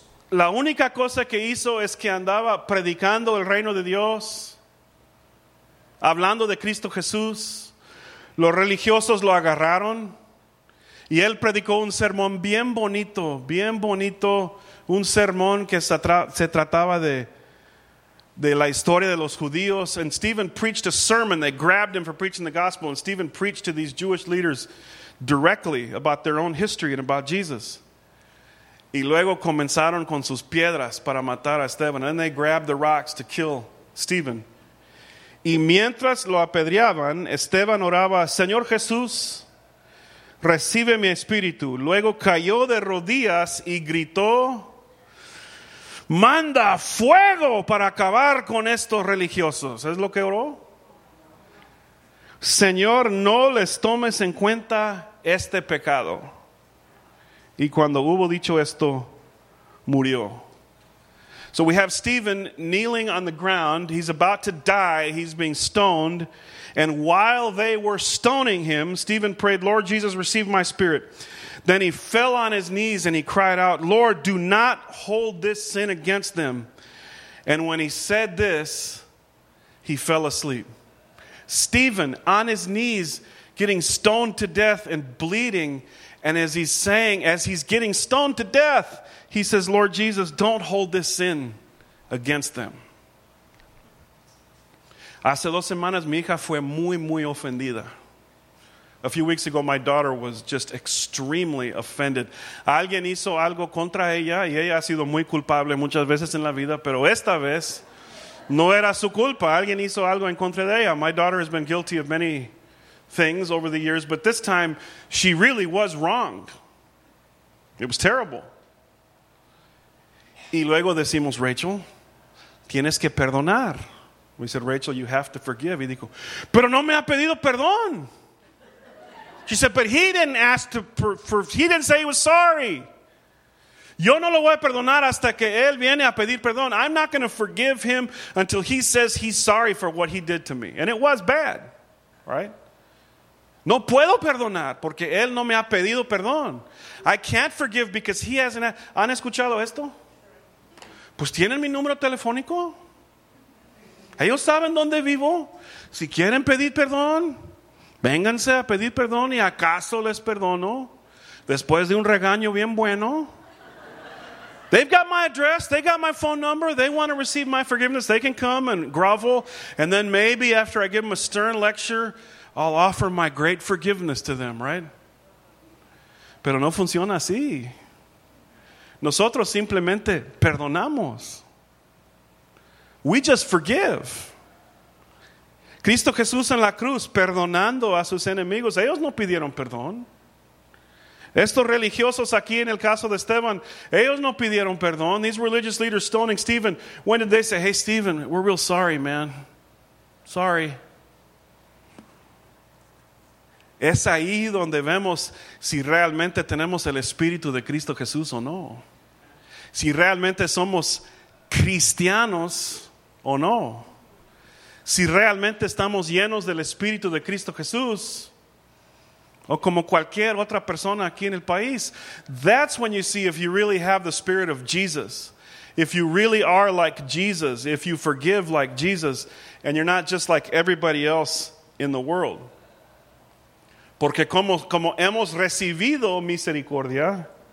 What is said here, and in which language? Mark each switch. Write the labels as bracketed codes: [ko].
[es] La única cosa que hizo es que andaba predicando el reino de Dios, hablando de Cristo Jesús. Los religiosos lo agarraron y él predicó un sermón bien bonito, un sermón que se trataba de la historia de los judíos. [en] And Stephen preached a sermon. They grabbed him for preaching the gospel, and Stephen preached to these Jewish leaders directly about their own history and about Jesus. [es] Y luego comenzaron con sus piedras para matar a Esteban. [en] And they grabbed the rocks to kill Stephen. [es] Y mientras lo apedreaban, Esteban oraba, Señor Jesús, recibe mi espíritu. Luego cayó de rodillas y gritó, manda fuego para acabar con estos religiosos. ¿Es lo que oró? Señor, no les tomes en cuenta este pecado. Y cuando hubo dicho esto, murió. [en] So we have Stephen kneeling on the ground. He's about to die. He's being stoned. And while they were stoning him, Stephen prayed, Lord Jesus, receive my spirit. Then he fell on his knees and he cried out, Lord, do not hold this sin against them. And when he said this, he fell asleep. Stephen, on his knees, getting stoned to death and bleeding. And as he's getting stoned to death, he says, Lord Jesus, don't hold this sin against them. [es] Hace dos semanas, mi hija fue muy, muy ofendida. [en] A few weeks ago, my daughter was just extremely offended. [es] Alguien hizo algo contra ella, y ella ha sido muy culpable muchas veces en la vida, pero esta vez no era su culpa. Alguien hizo algo en contra de ella. [en] My daughter has been guilty of many things over the years, but this time she really was wrong. It was terrible. [es] Y luego decimos, Rachel, tienes que perdonar. [en] We said, Rachel, you have to forgive. [es] Y dijo, pero no me ha pedido perdón. [en] She said, but he didn't ask he didn't say he was sorry. [es] Yo no lo voy a perdonar hasta que él viene a pedir perdón. [en] I'm not going to forgive him until he says he's sorry for what he did to me. And it was bad, right? [es] No puedo perdonar porque él no me ha pedido perdón. [en] I can't forgive because he hasn't. [es] ¿Han escuchado esto? Pues tienen mi número telefónico. Ellos saben dónde vivo. Si quieren pedir perdón, vénganse a pedir perdón y acaso les perdono después de un regaño bien bueno. [en] They've got my address. They got my phone number. They want to receive my forgiveness. They can come and grovel. And then maybe after I give them a stern lecture, I'll offer my great forgiveness to them, right? [es] Pero no funciona así. Nosotros simplemente perdonamos. [en] We just forgive. [es] Cristo Jesús en la cruz, perdonando a sus enemigos. Ellos no pidieron perdón. Estos religiosos aquí en el caso de Esteban, ellos no pidieron perdón. [en] These religious leaders stoning Stephen. When did they say, hey, Stephen, we're real sorry, man. Sorry. [es] Es ahí donde vemos si realmente tenemos el Espíritu de Cristo Jesús o no. Si realmente somos cristianos o no. Si realmente estamos llenos del Espíritu de Cristo Jesús o como cualquier otra persona aquí en el país. [en] That's when you see if you really have the Spirit of Jesus. If you really are like Jesus. If you forgive like Jesus. And you're not just like everybody else in the world. [es] Porque como hemos recibido misericordia,